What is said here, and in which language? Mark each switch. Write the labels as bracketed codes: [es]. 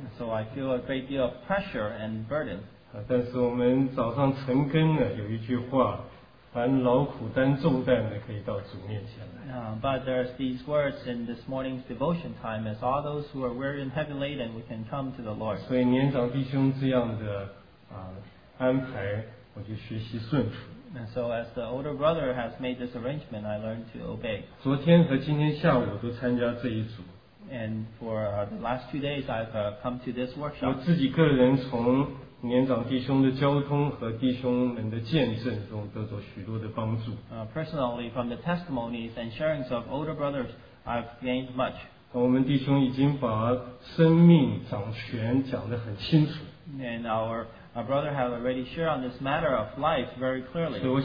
[en] So I feel a great deal of pressure and burden. [zh] 但是我们早上晨更呢有一句话。凡劳苦担重担的，可以到主面前来。 [en] But there's these words in this morning's devotion time, as all those who are weary and heavy laden, we can come to the Lord. [zh] 所以年长弟兄这样的安排，我就学习顺服。 [en] And so as the older brother has made this arrangement, I learned to obey. [zh] 昨天和今天下午都参加这一组。 [en] And for the last 2 days, I've come to this workshop. [zh] 我自己个人从 年长弟兄的交通和弟兄们的见证中得到许多的帮助。 [en] Personally, from the testimonies and sharings of older brothers, I've gained much. [zh] 我们弟兄已经把生命掌权讲得很清楚。 [en] And our brother have already shared on this matter of life very clearly.